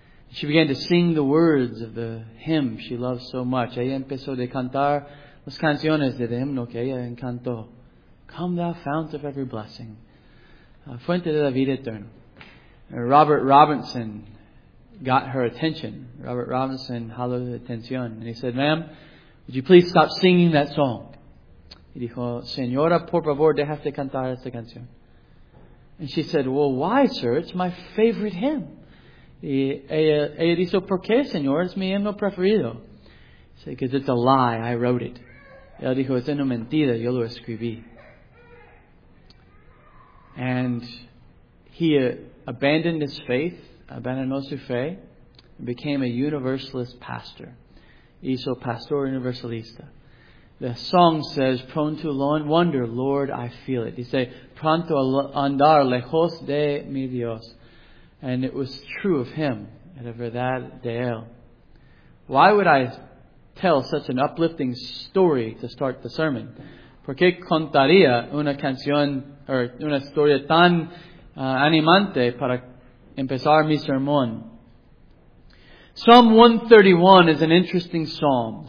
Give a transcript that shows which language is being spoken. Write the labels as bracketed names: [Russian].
[English] She began to sing the words of the hymn she loved so much. [Spanish] Ella empezó a cantar las canciones del himno que ella encantó. [English] Come thou fount of every blessing, [Spanish] fuente de la vida eterna. [English] And Robert Robinson got her attention. [Spanish] Robert Robinson jaló la atención. [English] And he said, ma'am, would you please stop singing that song? [Spanish] Y dijo, señora, por favor, déjate cantar esta canción. [English] And she said, well, why, sir? It's my favorite hymn. [Spanish] Ella dijo, ¿por qué, señor? Es mi himno preferido. [English] She said, because it's a lie. I wrote it. [Spanish] Ella dijo, es una mentira. Yo lo escribí. [English] And he abandoned his faith, [Spanish] abandonó su fe, [English] and became a universalist pastor. [Spanish] Hizo pastor universalista. [English] The song says, prone to wonder, Lord, I feel it. He say, [Spanish] pronto a andar lejos de mi Dios. [English] And it was true of him. And of that day. Why would I tell such an uplifting story to start the sermon? [Spanish] ¿Por qué contaría una canción or una historia tan animante para empezar mi sermón? [English] Psalm 131 is an interesting psalm.